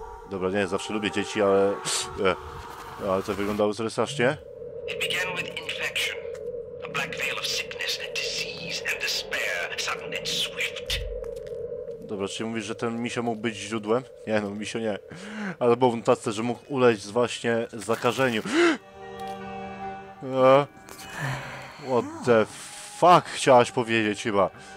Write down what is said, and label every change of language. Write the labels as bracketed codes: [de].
[pl] Dobra, nie, zawsze lubię dzieci, ale... ale to wyglądało strasznie. [en] It began with infection. A black veil of sickness, disease and despair, sudden and swift. [pl] Dobra, czy mówisz, że ten misio mógł być źródłem? Nie, no misio nie. Ale było w notatce, że mógł uleć z właśnie zakażeniu. [en] What the fuck [pl] chciałaś powiedzieć chyba?